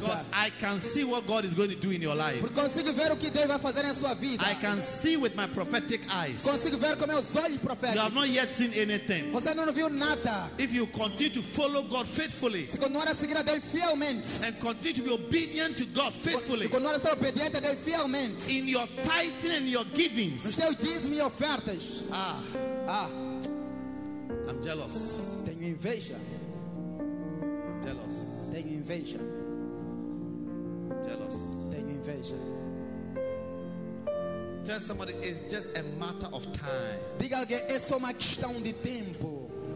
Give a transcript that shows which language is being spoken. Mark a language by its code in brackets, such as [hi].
[en] Because I can see what God is going to do in your life. [pt] Porque consigo ver o que Deus vai fazer em sua vida. [en] I can see with my prophetic eyes. [pt] Consigo ver com meus olhos proféticos. [en] You have not yet seen anything. [pt] Você não viu nada. [en] If you continue to follow God faithfully. [pt] Se continuar a seguir a Deus fielmente. [en] And continue to be obedient to God faithfully. [pt] Se continuar a ser obediente a Deus fielmente. [en] In your tithing and your givings. [pt] Nos seus dízimos e ofertas. [en] Ah. I'm jealous. [pt] Tenho inveja. [en] I'm jealous. [pt] Tenho inveja. [en] I'm jealous. [pt] Tenho inveja. [en] Tell somebody it's just a matter of time. [pt] Diga alguém, é só uma questão de tempo.